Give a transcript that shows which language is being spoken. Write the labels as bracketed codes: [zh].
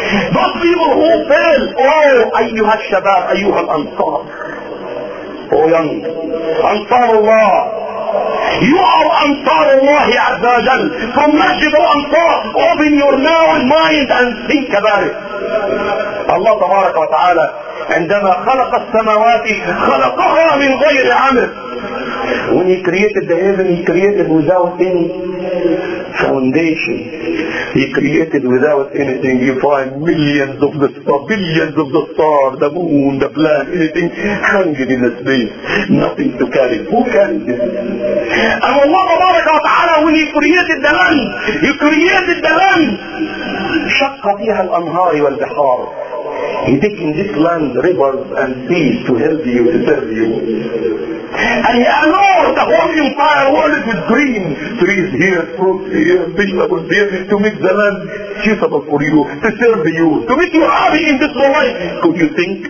[en] Those people who fail, ayyuha al-shabab, ayyuha al-ansar. Oh young, ansar Allah. You are Ansar Allah Azza wa Jal. From Masjid Ansar, open your mind and think about it. [ar] Allah Tabaraka wa Ta'ala, عندما خلق السماوات خلقها من غير عمل. [en] When he created the heaven, he created without any foundation. He created without anything. You find millions of the stars, billions of the stars, the moon, the planet, anything hanging in the space. Nothing to carry. Who carries it? And Allah Tabaraka wa Ta'ala, when he created the land, he created the land. [ar] شق فيها الأنهار والبحار. [en] He taking this land, rivers and seas to help you, to serve you. And he allowed the whole empire world with green. Trees here, fruits here, vegetables here, to make the land suitable for you, to serve you, to make you happy in this whole life. Could you think?